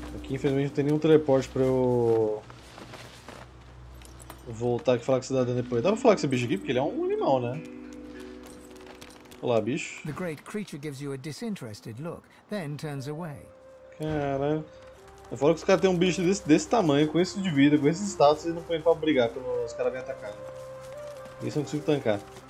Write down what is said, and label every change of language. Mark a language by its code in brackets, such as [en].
[pt] Infelizmente não tem nenhum teleporte pra eu voltar aqui e falar com o cidadão depois. Dá pra falar com esse bicho aqui, porque ele é um animal, né? Olá, bicho. [en] The great creature gives you a disinterested look, then turns away. [pt] Caralho. Fora que os caras tem um bicho desse tamanho, com esse de vida, com esse status, e não põe pra brigar quando os caras vêm atacar. Isso eu não consigo tancar.